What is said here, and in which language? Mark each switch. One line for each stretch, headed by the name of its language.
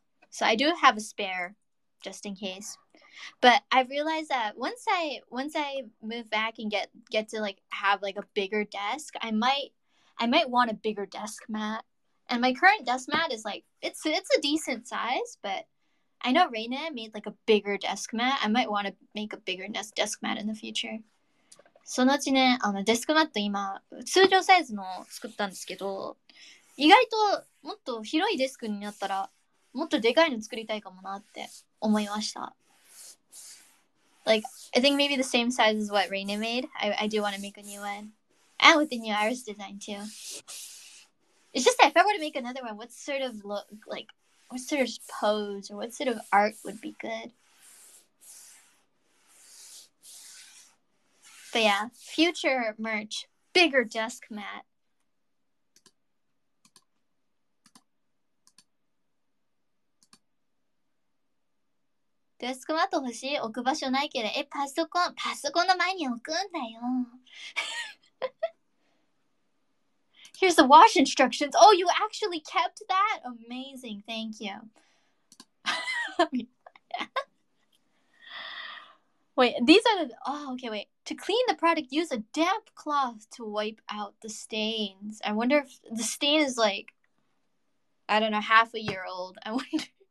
English: So I do have a spare, just in case. But I realized that once I move back and get to like have like a bigger desk, I might want a bigger desk mat. And my current desk mat is like, it's a decent size, but I know Reina made like a bigger desk mat. I might want to make a bigger desk mat in the future.
Japanese: そのうちね、あのデスクマット今、通常サイズの作ったんですけど、意外ともっと広いデスクになったら、もっとでかいの作りたいかもなって思いました。
English: Like, I think maybe the same size as what Reina made. I do want to make a new one. And with the new Iris design too. It's just that if I were to make another one, what sort of look, like, what sort of pose or what sort of art would be good? But yeah, future merch, bigger desk mat.
Japanese: デスクマット欲しい置く場所ないけど、え、パソコンの前に置くんだよ。
English: Here's Here's the wash instructions. Oh, you actually kept that? Amazing. Thank you. Wait, these are the. Oh, okay, wait. To clean the product, use a damp cloth to wipe out the stains. I wonder if the stain is like, I don't know, half a year old. I wonder.